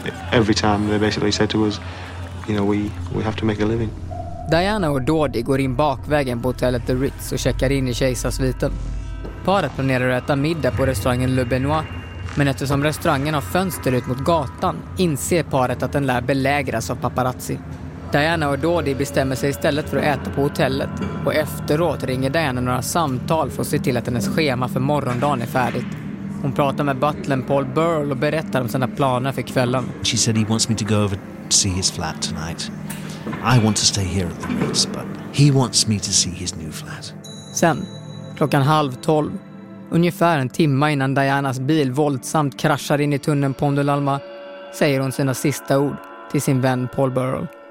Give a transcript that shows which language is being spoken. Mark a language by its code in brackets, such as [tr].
[en] Every time they basically said to us, you know, we have to make a living. [sv] Diana och Dodi går in bakvägen på hotellet The Ritz och checkar in i kejsarsviten. Paret planerar att äta middag på restaurangen Le Benoit. Men eftersom restaurangen har fönster ut mot gatan inser paret att den lär belägras av paparazzi. Diana och Dodi bestämmer sig istället för att äta på hotellet. Och efteråt ringer Diana några samtal för att se till att hennes schema för morgondagen är färdigt. Hon pratar med butlern Paul Burrell och berättar om sina planer för kvällen. [en] She said he wants me to go over to see his flat tonight. I want to stay here at the Ritz, but he wants me to see his new flat. [sv] Sen, klockan 11:30, ungefär en timme innan Dianas bil våldsamt kraschar in i tunneln Pont de l'Alma, säger hon sina sista ord till sin vän Paul Burrell.